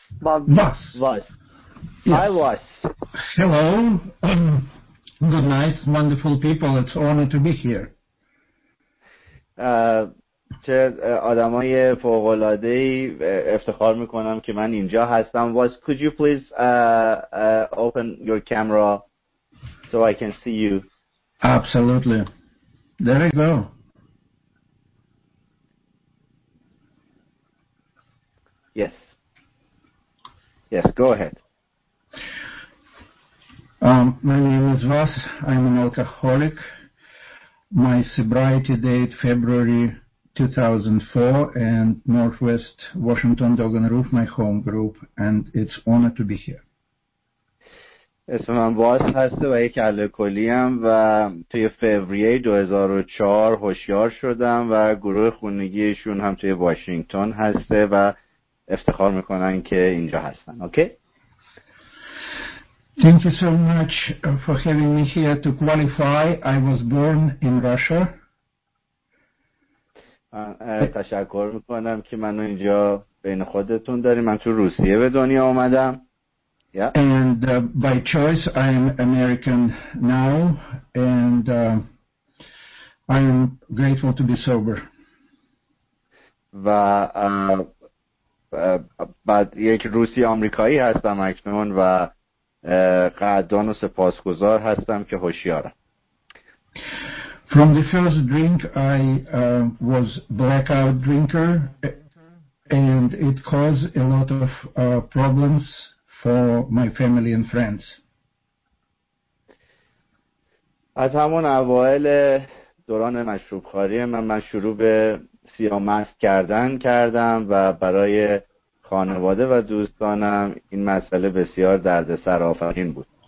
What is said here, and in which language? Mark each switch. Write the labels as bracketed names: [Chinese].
[English] Wes. Wes. Hi, Wes. Hello. Good night, wonderful people. It's an honor to be here. [Persian] چه آدمای فوق‌العاده‌ای، افتخار می‌کنم که من اینجا هستم. [English] Wes, could you please open your camera so I can see you? Absolutely. There you go. Yes. Yes, go ahead. My name is Vas. I'm an alcoholic. My sobriety date February 2004, and Northwest Washington Dogon Roof, my home group, and it's an honor to be here. [Persian] اسم من واس هست و یک الکلی ام و توی فوریه 2004 هوشیار شدم و گروه خونگی ایشون هم توی واشنگتن هسته و افتخار میکنن که اینجا هستن. [English] Okay? Thank you so much for having me here to qualify. I was born in Russia. [Persian] تشکر میکنم که منو اینجا بین خودتون داریم. من تو روسیه به دنیا اومدم. [English] And by choice I am American now and I am grateful to be sober. [Persian] و بعد یک روسی آمریکایی هستم اکنون و قدردان و سپاسگزار هستم که هوشیارم. [English] From the first drink I was blackout drinker and it caused a lot of problems for my family and friends. [Persian] از همون اوائل دوران مشروبخواری من شروع به سیاه‌مست کردم و برای خانواده و دوستانم این مسئله بسیار دردسر آفرین بود.